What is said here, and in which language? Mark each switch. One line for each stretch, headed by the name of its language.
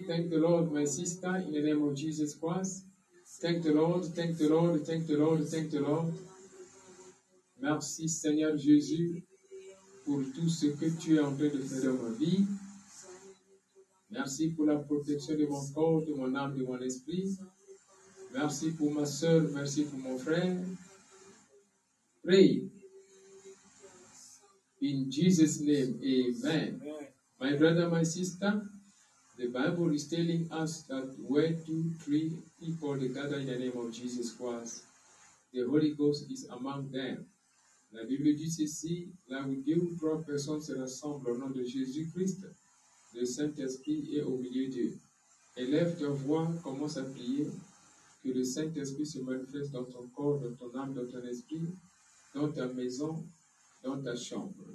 English: Thank the Lord, my sister, in the name of Jesus Christ. Thank the Lord, thank the Lord, thank the Lord, thank the Lord.
French: Merci, Seigneur Jésus, pour tout ce que tu es en train de faire dans ma vie. Merci pour la protection de mon corps, de mon âme, de mon esprit. Merci pour ma soeur, merci pour mon frère.
English: Pray. In Jesus' name, amen. My brother, my sister, the Bible is telling us that where 2, 3 people gather in the name of Jesus Christ, the Holy Ghost is among them.
French: La Bible dit ceci, là où 2 ou 3 personnes se rassemblent au nom de Jésus-Christ, le Saint-Esprit est au milieu d'eux. Élève ta voix, commence à prier, que le Saint-Esprit se manifeste dans ton corps, dans ton âme, dans ton esprit, dans ta maison, dans ta chambre.